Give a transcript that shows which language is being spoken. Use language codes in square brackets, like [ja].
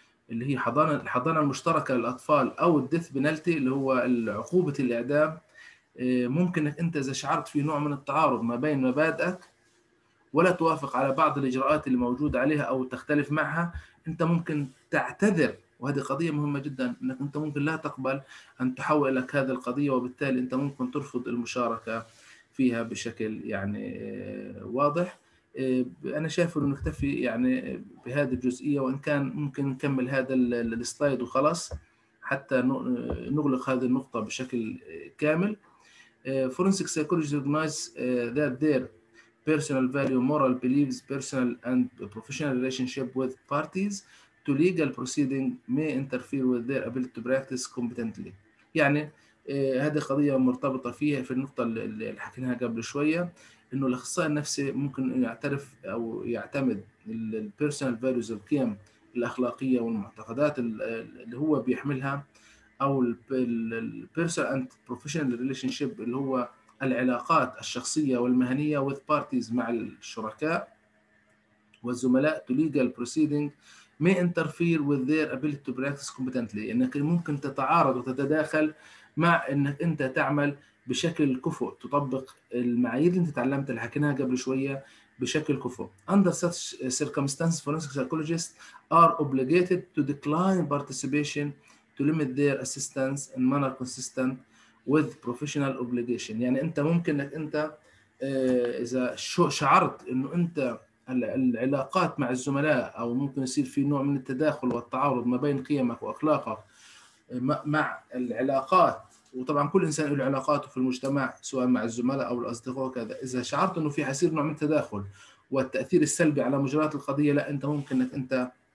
[ar] اللي هي الحضانة المشتركة للأطفال أو الديث بنالتي اللي هو عقوبة الإعدام، ممكن أنك أنت إذا شعرت في نوع من التعارض ما بين مبادئك ولا توافق على بعض الإجراءات اللي موجودة عليها أو تختلف معها، أنت ممكن تعتذر، وهذه قضية مهمة جدا أنك أنت ممكن لا تقبل أن تحول لك هذه القضية، وبالتالي أنت ممكن ترفض المشاركة فيها بشكل يعني واضح. أنا شايف أنه نكتفي يعني بهذه الجزئية، وإن كان ممكن نكمل هذا السلايد وخلاص حتى نغلق هذه النقطة بشكل كامل. [en] Forensic psychologists recognize that there personal value, moral beliefs, personal and professional relationship with parties to legal proceeding may interfere with their ability to practice competently. [ar] يعني هذه قضية مرتبطة فيها في النقطة اللي حكيناها قبل شوية، إنه الأخصائي النفسي ممكن يعترف أو يعتمد الـ [en] personal values، [ar] القيم الأخلاقية والمعتقدات اللي هو بيحملها، أو الـ [en] personal and professional relationship [ar] اللي هو العلاقات الشخصية والمهنية [en] with parties [ar] مع الشركاء والزملاء [en] to legal proceeding may interfere with their ability to practice competently، [ar] انك ممكن تتعارض وتتداخل مع انك انت تعمل بشكل كفؤ، تطبق المعايير اللي انت تعلمتها اللي حكيناها قبل شوية بشكل كفؤ. [en] Under such circumstances forensic psychologists are obligated to decline participation to limit their assistance in manner consistent with professional obligation. [ar] يعني انت ممكن انك انت اذا شعرت انه انت العلاقات مع الزملاء او ممكن يصير في نوع من التداخل والتعارض ما بين قيمك واخلاقك مع العلاقات، وطبعا كل انسان له علاقاته في المجتمع سواء مع الزملاء او الاصدقاء وكذا، اذا شعرت انه في حيصير نوع من التداخل والتاثير السلبي على مجريات القضيه، لا انت ممكن انك انت